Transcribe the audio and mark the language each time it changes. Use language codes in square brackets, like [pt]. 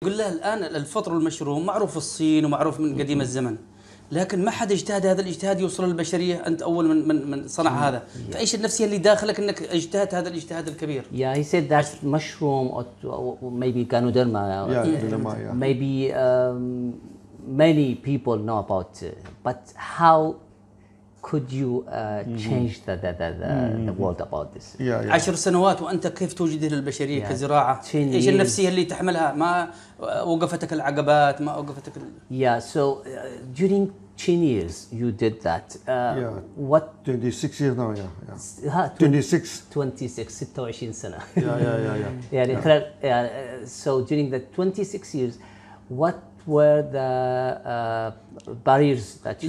[ar] يقول له الآن الفطر المشروم معروف في الصين ومعروف من قديم الزمن، لكن ما حد اجتهد هذا الاجتهاد يوصل للبشرية. أنت أول من صنع هذا، فإيش النفسية اللي داخلك أنك اجتهد هذا الاجتهاد الكبير؟ [en] Yeah, he said that mushroom or maybe Ganoderma. Yeah, Ganoderma. Yeah. Maybe many people know about it, but how could you change the world about this? Yeah, yeah. [ar] 10 سنوات وأنت كيف توجده للبشرية كزراعة؟ إيش النفسية اللي تحملها؟ ما وقفتك العقبات؟ ما وقفتك؟ [en] Yeah. So during 10 years you did that. Yeah. What? 26 years now. Yeah. Yeah. [ar] 26. 26. 26 سنة. [en] Yeah. Yeah. Yeah. Yeah. So during the 26 years, what were the barriers that you...